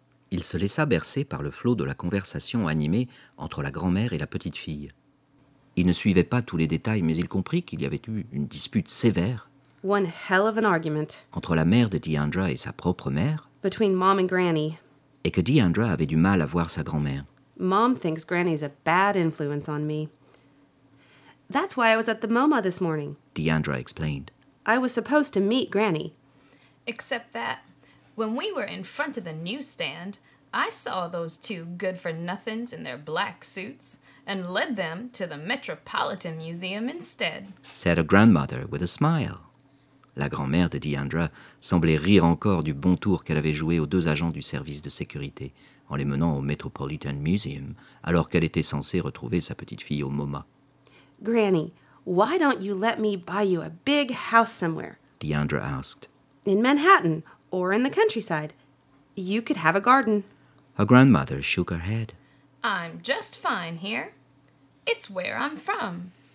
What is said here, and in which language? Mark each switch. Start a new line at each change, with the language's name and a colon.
French: Il se laissa bercer par le flot de la conversation animée entre la grand-mère et la petite fille. Il ne suivait pas tous les détails, mais il comprit qu'il y avait eu une dispute sévère.
English: One hell of an argument.
French: Entre la mère de Deandra et sa propre mère.
English: Between mom and granny.
French: Et que Deandra avait du mal à voir sa grand-mère.
English: Mom thinks granny's a bad influence on me. That's why I was at the MoMA this morning. Deandra explained. I was supposed to meet granny. Except that when we were in front of the newsstand, I saw those two good-for-nothings in their black suits and led them to the Metropolitan Museum instead. Said her grandmother with a smile.
French: La grand-mère de Deandra semblait rire encore du bon tour qu'elle avait joué aux deux agents du service de sécurité en les menant au Metropolitan Museum alors qu'elle était censée retrouver sa petite fille au MoMA.
English: Granny, why don't you let me buy you a big house somewhere? Deandra asked. In Manhattan or in the countryside. You could have a garden. Her grandmother shook her head. I'm just fine here. It's where I'm from.